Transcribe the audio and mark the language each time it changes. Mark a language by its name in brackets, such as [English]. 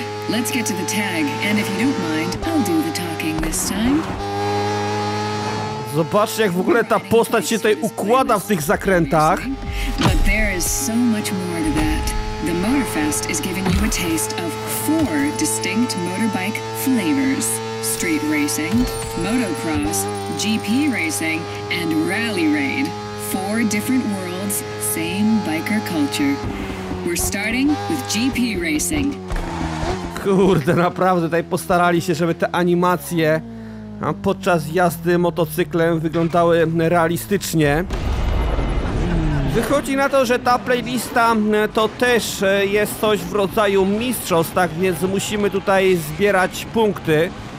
[English] Let's get to the tag, and if you don't mind, I'll do the talking this time. [Polish] Zobaczcie, jak w ogóle ta postać się tutaj układa w tych zakrętach. [English] But there is so much more to that. The Motorfest is giving you a taste of 4 distinct motorbike flavors. Street racing, motocross, GP racing, and rally raid. 4 different worlds, same biker culture. We're starting with GP racing. [Polish] Kurde, naprawdę tutaj postarali się, żeby te animacje podczas jazdy motocyklem wyglądały realistycznie. Wychodzi na to, że ta playlista to też jest coś w rodzaju mistrzostw, tak więc musimy tutaj zbierać punkty.